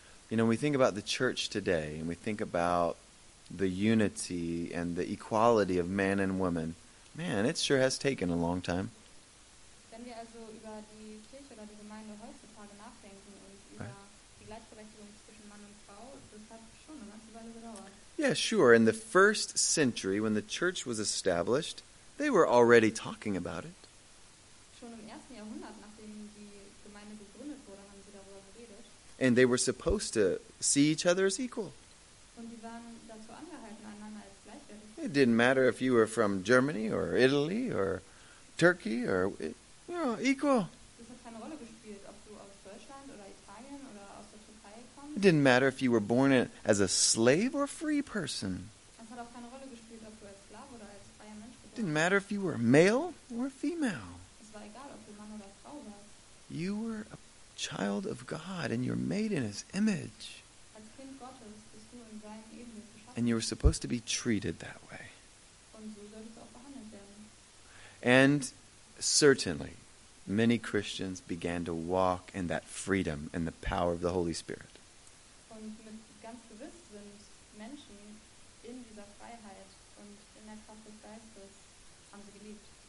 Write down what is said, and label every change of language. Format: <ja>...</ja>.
<en>You know, we think about the church today, and we think about the unity and the equality of man and woman. Man, it sure has taken a long time.</en> <de>Wenn wir also über die Kirche oder die Gemeinde heutzutage nachdenken und über die Gleichberechtigung zwischen Mann und Frau, das hat schon eine ganze Weile gedauert.</de> <en>Yeah, sure. In the first century, when the church was established, they were already talking about it.</en> <de>Schon im ersten Jahrhundert, nachdem die Gemeinde gegründet wurde, haben sie darüber geredet.</de> <en>And they were supposed to see each other as equal.</en> <de>Und die waren dazu angehalten, einander als gleichwertig.</de> <en>It didn't matter if you were from Germany or Italy or Turkey or, you know, equal.</en> <de>Das hat keine Rolle gespielt, ob du aus Deutschland oder Italien oder aus der Türkei kommst.</de> <en>It didn't matter if you were born as a slave or free person.</en> <de>Das hat auch keine Rolle gespielt, ob du als Sklave oder als freier Mensch geboren.</de> <en>It didn't matter if you were male or female.</en> <de>Es war egal, ob du Mann oder Frau warst.</de> <en>You were a child of God, and you're made in His image.</en> <de>Als Kind Gottes bist du in seinem Ebenbild geschaffen.</de> <en>And you're supposed to be treated that way.</en> <de>Und so solltest du auch behandelt werden.</de> <en>And certainly, many Christians began to walk in that freedom and the power of the Holy Spirit.</en> <de>Und mit ganz gewiss sind Menschen in dieser Freiheit und in der Kraft des Geistes haben sie geliebt.</de>